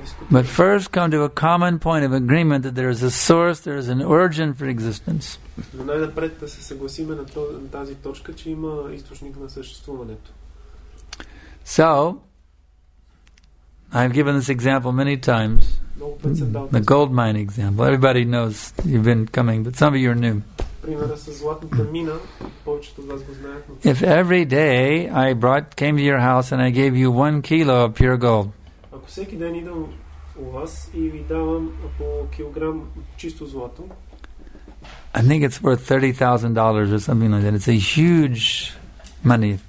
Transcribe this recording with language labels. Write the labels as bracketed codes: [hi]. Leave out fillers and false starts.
[en] But first come to a common point of agreement that there is a source, there is an origin for existence. [bg] Но най-напред да се съгласим на тази точка, че има източник на съществуването. [en] So, I've given this example many times. The gold mine example. Everybody knows you've been coming, but some of you are new. [bg] Примерът със златната мина, повечето от вас го знаят. [en] If every day I brought came to your house and I gave you 1 kilo of pure gold. [bg] Ако всеки ден идвам у вас и ви давам по килограм чисто злато. [en] I think it's worth $30,000 or something like that. It's a huge money.